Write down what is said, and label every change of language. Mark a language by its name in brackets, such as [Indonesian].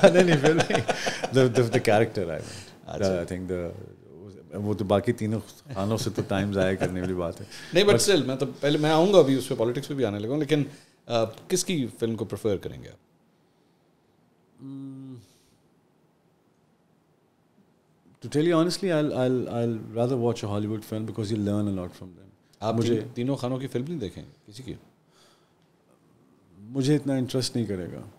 [Urdu] نہیں, [English] the character I think, [Urdu] دی وہ تو باقی تینوں خانوں سے تو ٹائم ضائع کرنے والی بات ہے. نہیں بٹ اسٹل میں تو پہلے میں آؤں گا, ابھی اس پہ پالیٹکس پہ بھی آنے لگا ہوں, لیکن کس کی فلم کو پریفر کریں گے آپ؟ [English] To tell you honestly, I'll rather watch a Hollywood film because you learn a lot from them. [Urdu] آپ مجھے تینوں خانوں کی فلم نہیں دیکھیں کسی کی؟ مجھے اتنا انٹرسٹ نہیں کرے گا.